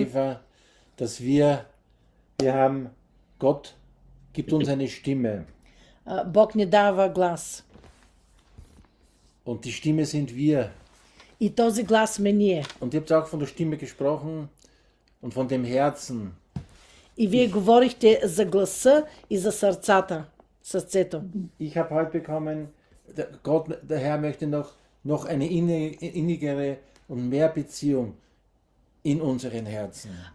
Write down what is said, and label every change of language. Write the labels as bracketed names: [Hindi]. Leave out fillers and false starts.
[German] Eva, dass wir haben, Gott gibt uns eine Stimme. [Bulgarian] Бог ни дава глас. [German] Und die Stimme sind wir. [Bulgarian] И този глас сме ние. [German] Und ihr habt auch von der Stimme gesprochen und von dem Herzen. [Bulgarian] И вие говорихте за гласа и за сърцата. Сърцето. [German] Ich habe heute bekommen, der Herr möchte noch eine innigere und mehr Beziehung in unseren Herzen.